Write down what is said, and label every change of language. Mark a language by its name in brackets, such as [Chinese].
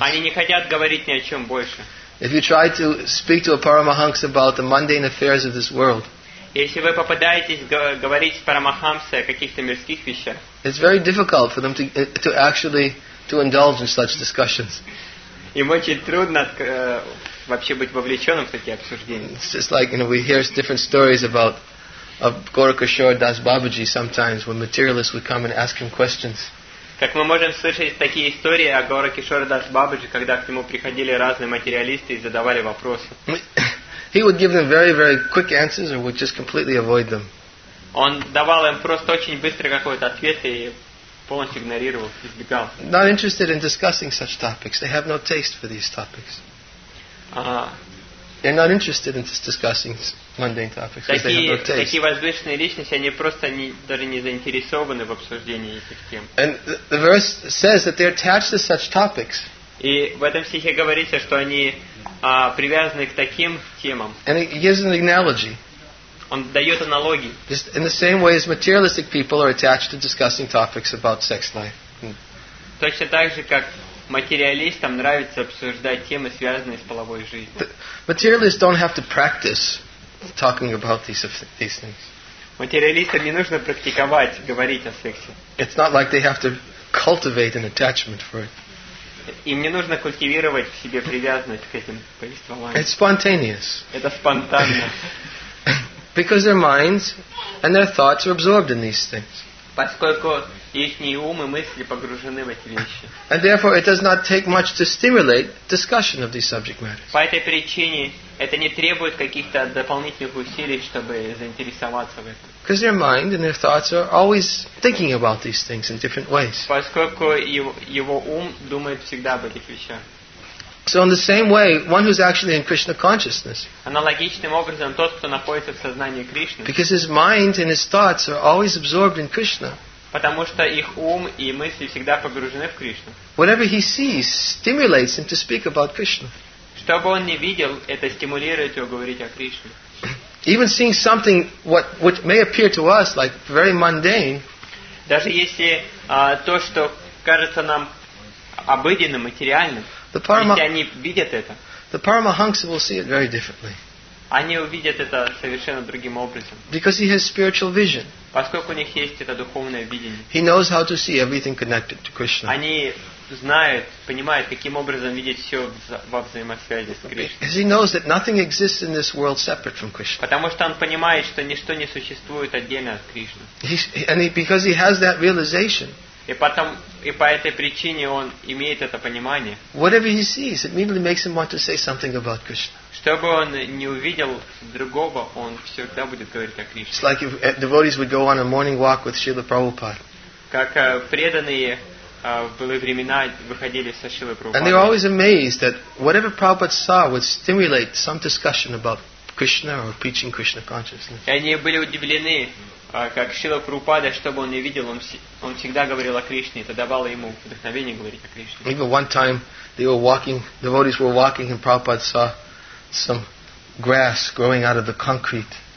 [Russian] Они не хотят говорить ни о чем больше. [English] If you try to speak to a Paramahamsa about the mundane affairs of this world. [Russian] Если вы попадаетесь говорить с Парамахамсой о каких-то мирских вещах. [English] It's very difficult for them to indulge in such discussions. [Russian] Им очень трудно вообще быть вовлеченным в такие обсуждения. [English] It's just like, you know, we hear different stories about Gaurakishore Das Babaji sometimes when materialists would come and ask him questions. [Russian] Как мы можем слышать такие истории о Гаурикишоре Дас Бабаджи, когда к нему приходили разные материалисты и задавали вопросы. [English] He would give them very, very quick answers or would just completely avoid them. [Russian] Он давал им просто очень быстрый какой-то ответ и полностью игнорировал, избегал. [English] Not interested in discussing such topics. They have no taste for these topics. They're not interested in discussing mundane topics because they have no taste. [Russian] Такие возвышенные личности, они просто даже не заинтересованы в обсуждении этих тем. [English] And the verse says that they're attached to such topics. [Russian] И в этом стихе говорится, что они привязаны к таким темам. [English] And it gives an analogy. [Russian] Он дает аналогии. [English] Just in the same way as materialistic people are attached to discussing topics about sex life. [Russian] Точно так же, как материалистам нравится обсуждать темы, связанные с половой жизнью. [English] Materialists don't have to practice talking about these things. [Russian] Материалистам не нужно практиковать говорить о сексе. [English] It's not like they have to cultivate an attachment for it. [Russian] Им не нужно культивировать в себе привязанность к этим повествованиям. [English] It's spontaneous. [Russian] Это спонтанно. [English] Because their minds and their thoughts are absorbed in these things. [Russian] Поскольку их ум и мысли погружены в эти вещи. [English] And therefore it does not take much to stimulate discussion of these subject matters. [Russian] По этой причине это не требует каких-то дополнительных усилий, чтобы заинтересоваться в этом. [English] Because their mind and their thoughts are always thinking about these things in different ways. [Russian] Поскольку его ум думает всегда об этих вещах. [English] So in the same way, one who's actually in Krishna consciousness. [Russian] Аналогичным образом тот, кто находится в сознании Кришны. [English] Because his mind and his thoughts are always absorbed in Krishna. [Russian] Потому что их ум и мысли всегда погружены в Кришну. [English] Whatever he sees stimulates him to speak about Krishna. [Russian] Что бы он ни видел, это стимулирует его говорить о Кришне. [English] Even seeing something which may appear to us like very mundane. [Russian] Даже если то, что кажется нам обыденным, материальным. [English] The Paramahamsa will see it very differently. [Russian] Они увидят это совершенно другим образом. [English] Because he has spiritual vision. [Russian] Поскольку у них есть это духовное видение. [English] He knows how to see everything connected to Krishna. [Russian] Они знают, понимают, каким образом видеть все во взаимосвязи с Кришной. [English] He knows that nothing exists in this world separate from Krishna. [Russian] Потому что он понимает, что ничто не существует отдельно от Кришны. [English] Because he has that realization. [Russian] И по этой причине он имеет это понимание. [English] Whatever he sees, it immediately makes him want to say something about Krishna. [Russian] Что бы он ни увидел другого, он всегда будет говорить о Кришне. [English] It's like if devotees would go on a morning walk with Srila Prabhupada. [Russian] Как преданные в былые времена выходили со Шрилы Прабхупадой. [English] And they're always amazed that whatever Prabhupada saw would stimulate some discussion about Krishna or preaching Krishna consciousness. [Russian] И они были удивлены, как Шрила Прабхупада, что бы он ни видел, он всегда говорил о Кришне, это давало ему вдохновение говорить о Кришне. [English] Even one time they were walking, devotees were walking, and Prabhupada saw some grass growing out of the concrete.